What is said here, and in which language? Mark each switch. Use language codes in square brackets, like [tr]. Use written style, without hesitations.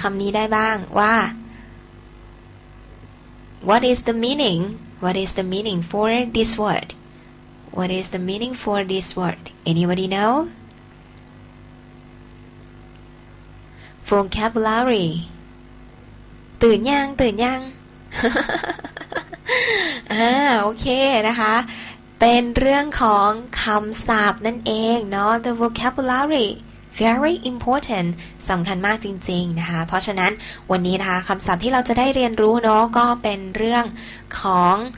[th] คำนี้ได้บ้างว่า [en] What is the meaning? What is the meaning for this word? What is the meaning for this word? Anybody know? [th] Vocabulary ตื่นยังตื่นยังโอเคนะคะเป็นเรื่องของคำศัพท์นั่นเองเนาะ [en] The vocabulary very important [th] สำคัญมากจริงๆนะคะเพราะฉะนั้นวันนี้นะคะคำศัพท์ที่เราจะได้เรียนรู้เนาะก็เป็นเรื่องของ